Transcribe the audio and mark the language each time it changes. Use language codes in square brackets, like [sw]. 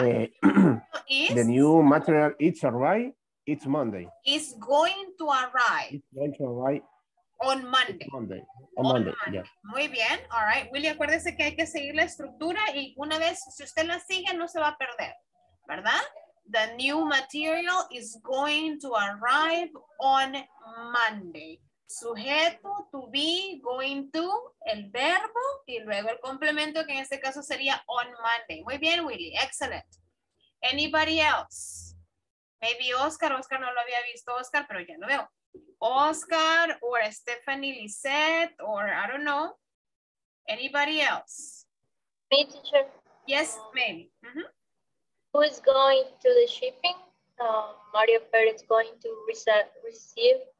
[en] The new material, it's arrive, it's Monday. It's going to arrive. It's going to arrive. On Monday. On Monday. Yeah. [es] Muy bien. [en] All right. [es] Willy, acuérdese que hay que seguir la estructura y una vez, si usted la sigue, no se va a perder. ¿Verdad? [en] The new material is going to arrive on Monday. [es] Sujeto, [en] to be, going to, [es] el verbo y luego el complemento que en este caso sería [en] on Monday. [es] Muy bien, [en] Willy. Excellent. Anybody else? Maybe Oscar. [es] Oscar no lo había visto, Oscar, pero ya lo veo. [en] Oscar or Stephanie Lisette or I don't know. Anybody else? Me, teacher. Yes, maybe. Mm-hmm. Who is going to the shipping? Mario Perez is going to receive.